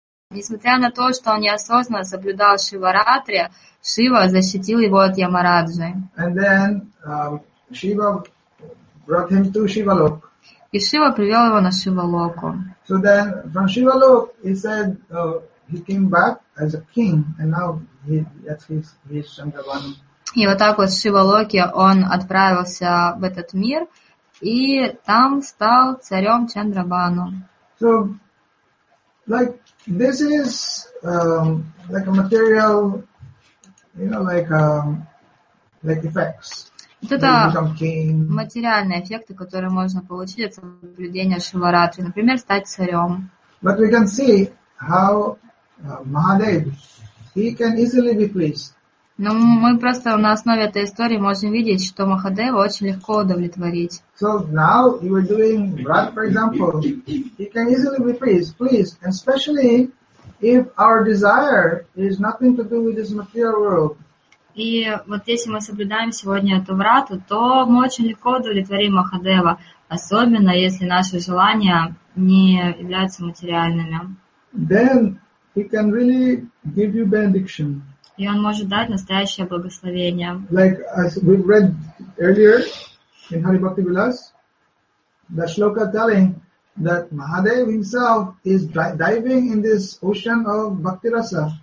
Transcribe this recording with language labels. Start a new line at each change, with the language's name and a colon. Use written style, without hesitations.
Russian: Несмотря на то, что он неосознанно соблюдал Шиваратри, Шива защитил его от Ямараджи.
English: And then, Shiva brought him to Shivalok.
Russian: И Шива привел его на Шивалоку.
English: So then, from Shivalok, he said, he came back as a king, and now he's Chandravani.
Russian: И вот так вот в Шивалоке он отправился в этот мир, и там стал царем Чандрабану.
English: So, like, this is like a material, you know, like effects.
Russian: Это материальные эффекты, которые можно получить от соблюдения Шиваратри, например, стать царем.
English: But we can see how Mahadev, he can easily be pleased.
Russian: Но мы просто на основе этой истории можем видеть, что Махадева очень легко удовлетворить.
English: So now you are doing Vrat, for example, you can easily be pleased, and especially if our desire is nothing to do with this material world.
Russian: И вот если мы соблюдаем сегодня эту Врату, то мы очень легко удовлетворим Махадева, особенно если наши желания не являются материальными.
English: Then he can really give you benediction.
Russian: И он может дать настоящее благословение.
English: Like as we read earlier in Hari Bhakti Vilas, the shloka telling that Mahadev himself is diving in this ocean of Bhakti Rasa.